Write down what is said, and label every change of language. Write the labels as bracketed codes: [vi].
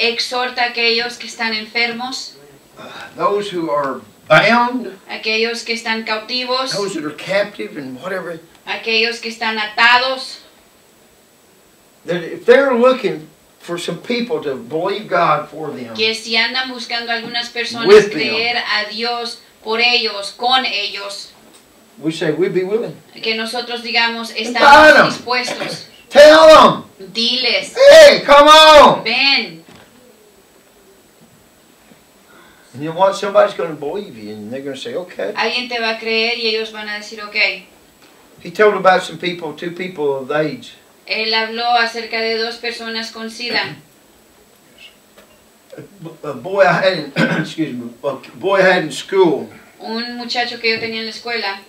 [es] Exhorta a aquellos que están enfermos. [en] Those who are bound. [es] Aquellos que están cautivos. [en] Those that are captive and whatever. [es] Aquellos que están atados. [en] That if they're looking for some people to believe God for them. [es] Que si andan buscando algunas personas creer a Dios por ellos, con ellos. [en] We say we'd be willing. [es] Que nosotros digamos estamos dispuestos. [en] Tell them. [es] Diles. [en] Hey, come on. [es] Ven. [en] And you want somebody's going to believe you, and they're going to say, okay. [es] Alguien te va a creer y ellos van a decir, okay. [en] He told about some people, two people of age. [es] Él habló acerca de dos personas con SIDA. [en] A boy I had in school. [es] Un muchacho que yo tenía en la escuela.